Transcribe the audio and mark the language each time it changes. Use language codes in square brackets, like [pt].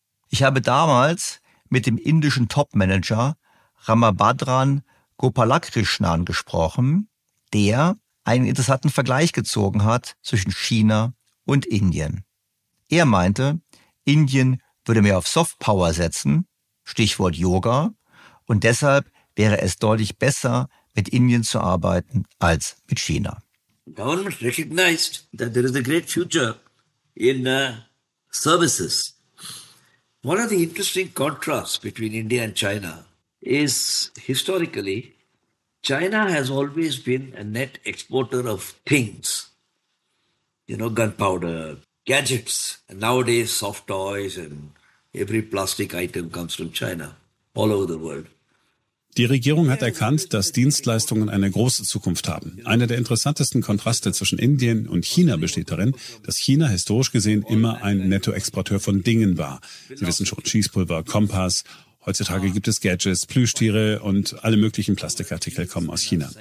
[de] Ich habe damals mit dem indischen Topmanager Ramabhadran Gopalakrishnan gesprochen, der einen interessanten Vergleich gezogen hat zwischen China und Indien. Er meinte, Indien würde mehr auf Softpower setzen, Stichwort Yoga, und deshalb wäre es deutlich besser, mit Indien zu arbeiten als mit China. [en] Government recognized that there is a great future in services. One of the interesting contrasts between India and China is historically, China has always been a net exporter of things, gunpowder, gadgets, and nowadays soft toys and every plastic item comes from China, all over the world. [de] Die Regierung hat erkannt, dass Dienstleistungen eine große Zukunft haben. Einer der interessantesten Kontraste zwischen Indien und China besteht darin, dass China historisch gesehen immer ein Nettoexporteur von Dingen war. Sie wissen schon, Cheesepulver, Kompass. Heutzutage gibt es Gadgets, Plüschtiere und alle möglichen Plastikartikel kommen aus China.